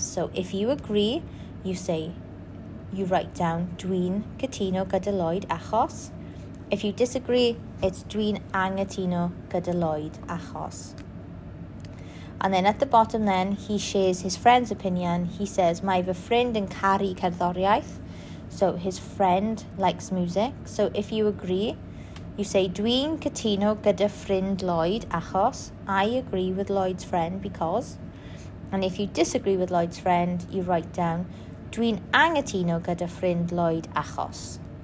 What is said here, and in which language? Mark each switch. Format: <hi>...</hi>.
<en>So if you agree, you say, you write down,</en> <cy>dwi'n cytuno gyda Lloyd achos.</cy> <en>If you disagree, it's</en> <cy>dwi'n anghytuno gyda Lloyd achos.</cy> <en>And then at the bottom then, he shares his friend's opinion. He says,</en> <cy>mae fy ffrind yn caru cerddoriaeth.</cy> <en>So his friend likes music. So if you agree, you say,</en> <cy>dwi'n cytuno gyda ffrind Lloyd achos.</cy> <en>I agree with Lloyd's friend because. And if you disagree with Lloyd's friend, you write down,</en> <cy>dwi'n anghytuno gyda ffrind Lloyd achos.</cy>